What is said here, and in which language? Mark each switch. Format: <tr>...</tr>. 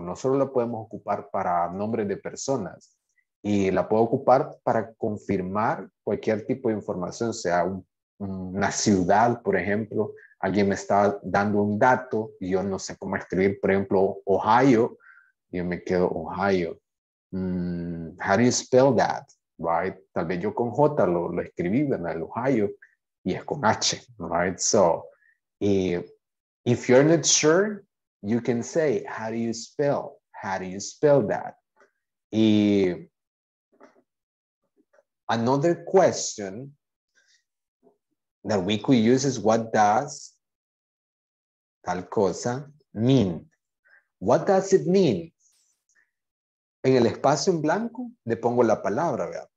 <es>No solo la podemos ocupar para nombres de personas, y la puedo ocupar para confirmar cualquier tipo de información, sea una ciudad, por ejemplo. Alguien me está dando un dato y yo no sé cómo escribir, por ejemplo, Ohio. Yo me quedo</es> <en>Ohio. How do you spell that? Right?</en> <es>Tal vez yo con J lo escribí, ¿verdad? El Ohio, y es con H, right?</es> <en>So, if you're not sure, you can say, how do you spell? How do you spell that? Another question that we could use is, what does</en> <es>tal cosa</es> <en>mean? What does it mean?</en> <es>En el espacio en blanco, le pongo la palabra, ¿verdad?</es>